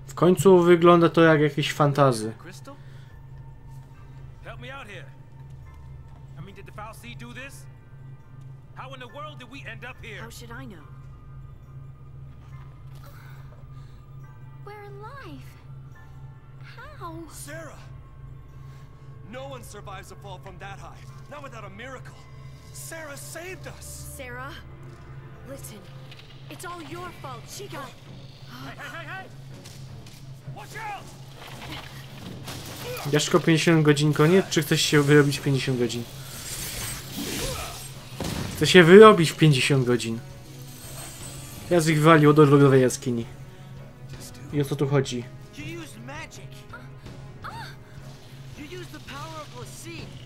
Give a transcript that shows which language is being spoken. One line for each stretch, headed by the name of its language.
Polish: W końcu wygląda to jak jakieś fantazy.
English: Help me out here. I mean, did the foul sea do this? How in the world did we end up here? How should I know? We're alive. How? Sarah! No one survives a fall from that high. Not without a miracle. Sarah saved us! Sarah? Listen. It's all your fault. She got... Hey! Watch out!
Polish: Jaszko, 50 godzin koniec? Czy chcesz się wyrobić w 50 godzin? Chcesz się wyrobić w 50 godzin? Ja z ich wywalił do lodowej jaskini. I o co tu chodzi?
English: You used magic. You used the power of the sea.